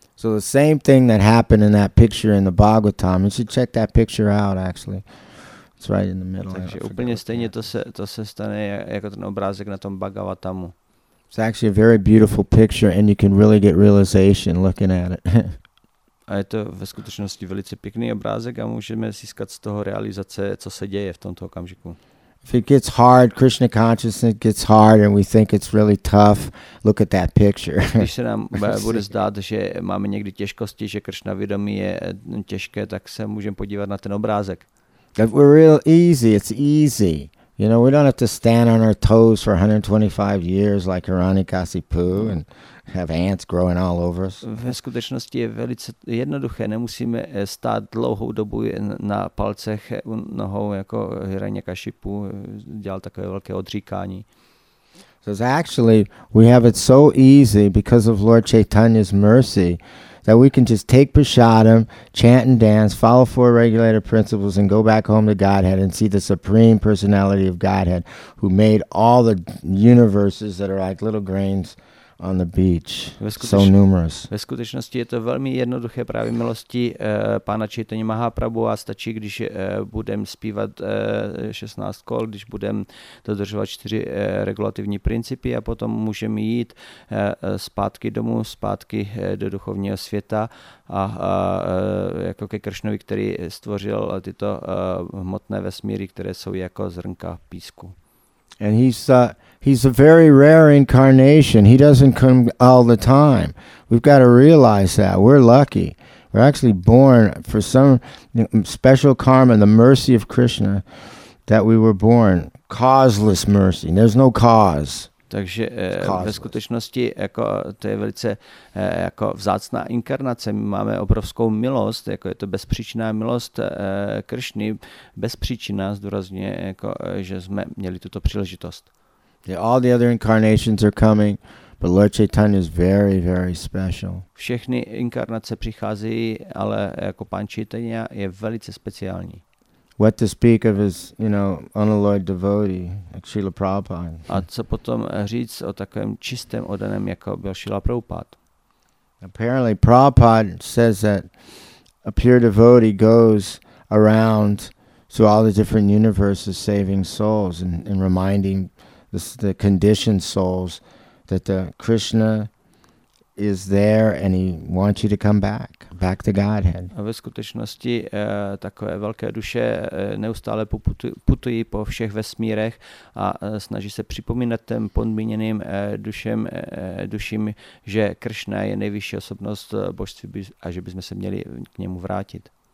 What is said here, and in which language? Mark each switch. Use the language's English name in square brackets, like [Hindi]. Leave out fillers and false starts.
[English] So the same thing that happened in that picture in the Bhagavatam. You should check that picture out actually. It's right in the middle. [Czech] Takže úplně stejně to se stane jako ten obrázek na tom Bhagavatamu. [English] It's actually a very beautiful picture and you can really get realization looking at it. [Czech] A je to ve skutečnosti velice pěkný obrázek a můžeme získat z toho realizace, co se děje v tomto okamžiku. [English] If it gets hard, Krishna consciousness gets hard and we think it's really tough, look at that picture. [Czech] Když se nám bude zdát, že máme někdy těžkosti, že Krishna vědomí je těžké, tak se můžeme podívat na ten obrázek. [English] If we're real easy, it's easy. You know, we don't have to stand on our toes for 125 years like Rani Kasipu and have ants growing all over us. [Czech] Ve skutečnosti je velice jednoduché, nemusíme stát dlouhou dobu na palcech nohou jako Hiranya Kashipu dělal takové velké odříkání. [English] So actually we have it so easy because of Lord Chaitanya's mercy that we can just take prasadam, chant and dance, follow four regulator principles and go back home to Godhead and see the supreme personality of Godhead who made all the universes that are like little grains on the beach, so numerous. [Czech] Ve skutečnosti je to velmi jednoduché právě milosti pána Chaitanya Mahaprabhu a stačí, když budem zpívat 16 kol, když budem dodržovat 4 regulativní principy a potom můžem jít zpátky domů, zpátky do duchovního světa a jako ke Kršnovi, který stvořil tyto hmotné vesmíry, které jsou jako zrnka písku. [English] And he's a very rare incarnation. He doesn't come all the time. We've got to realize that. We're lucky. We're actually born for some special karma, the mercy of Krishna, that we were born. Causeless mercy. There's no cause. [Czech] Takže ve skutečnosti jako to je velice jako vzácná inkarnace. My máme obrovskou milost, jako je to bezpříčinná milost Kršny, bezpříčinná zdůrazně, jako že jsme měli tuto příležitost. [English] Yeah, all the other incarnations are coming, but Lord Chaitanya is very, very special. [Czech] Všechny inkarnace přicházejí, ale jako pan Chaitanya je velice speciální. [English] What to speak of his, you know, unalloyed devotee, like Srila Prabhupada. [Czech] A co potom říct o takovém čistém oddaném, jako byl Srila Prabhupada? [English] Apparently Prabhupada says that a pure devotee goes around to all the different universes saving souls and reminding the conditioned souls that the Krishna is there and he wants you to come back to Godhead. [Czech] A ve skutečnosti takové velké duše neustále putují po všech vesmírech a snaží se připomínat těm podmíněným duším, že Krishna je nejvyšší osobnost božství a že bychom se měli k němu vrátit.